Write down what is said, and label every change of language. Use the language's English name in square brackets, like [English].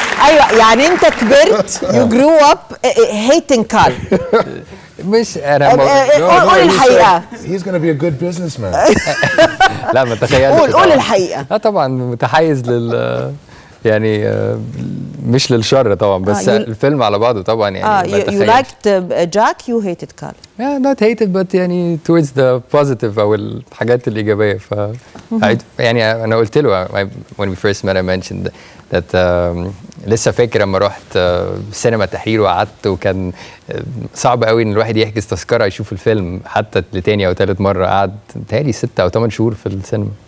[Arabic] أيوة يعني أنت كبرت, [English] you grew up hating Carl. [Arabic] مش انا قول الحقيقه, [English] He's gonna be a good businessman. [Arabic] لا ما تخيلش, قول الحقيقه. طبعا متحيز لل يعني مش للشر طبعا, بس الفيلم على بعضه طبعا يعني [English] You liked Jack you hated Carl. Yeah, not hated but يعني towards the positive [Arabic] او الحاجات الايجابيه. ف يعني انا قلت له [English] when we first met I mentioned that [Arabic] لسه فاكر لما رحت سينما تحرير وقعدت وكان صعب قوي ان الواحد يحجز تذكره يشوف الفيلم حتى لتاني او تالت مره. قعد تالي ستة او ثمان شهور في السينما.